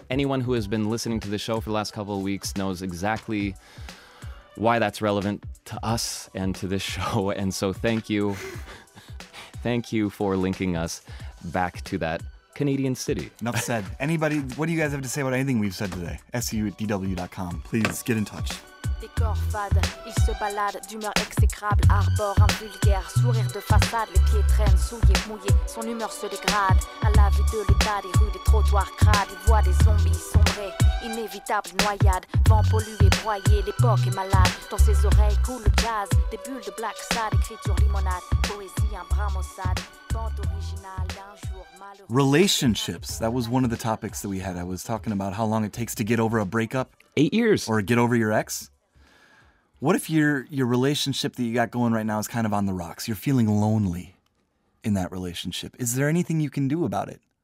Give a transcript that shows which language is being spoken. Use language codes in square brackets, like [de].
[en] Anyone who has been listening to the show for the last couple of weeks knows exactly why that's relevant to us and to this show. And so thank you. Thank you for linking us back to that Canadian city. Enough said. Anybody, what do you guys have to say about anything we've said today? SU@dw.com. Please get in touch. [fr] Décor fade, il se balade, d'humeur exécrable, arbore un vulgaire, sourire de façade, les pieds traînent, souillés, mouillés, son humeur se dégrade, à la vue de l'état des rues, des trottoirs crades, il voit des zombies sombrés, inévitables noyades, vent pollué, broyé, l'époque est malade, dans ses oreilles coule le gaz, des bulles de black sad, écriture limonade, poésie, un bras maussade, bande originale d'un jour malheureux. [en] Relationships, that was one of the topics that we had. I was talking about how long it takes to get over a breakup. 8 years. Or get over your ex. What if your relationship that you got going right now is kind of on the rocks? You're feeling lonely in that relationship. Is there anything you can do about it?